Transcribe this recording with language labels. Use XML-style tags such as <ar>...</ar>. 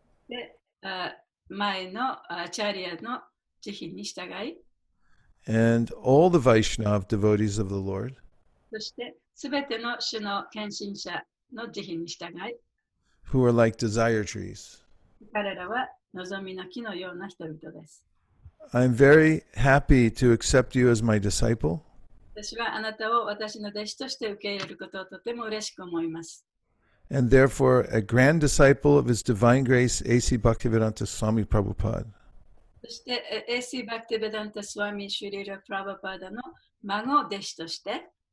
<ja>で、前のアチャリアの慈悲に従い、</ja> <en>and all the Vaishnav devotees of the Lord,</en> <ja>そして、すべての主の献身者の慈悲に従い、</ja> <en>who are like desire trees,</en> <ja>彼らは望みの木のような人々です。</ja> <en>I'm very happy to accept you as my disciple.</en> <ja>私はあなたを私の弟子として受け入れることをとても嬉しく思います。</ja> <en>And therefore, a grand disciple of His Divine Grace, A.C. Bhaktivedanta Swami Prabhupada.</en> <ja>そして、A.C. Bhaktivedanta Swami Srila Prabhupada の孫弟子として。</ja>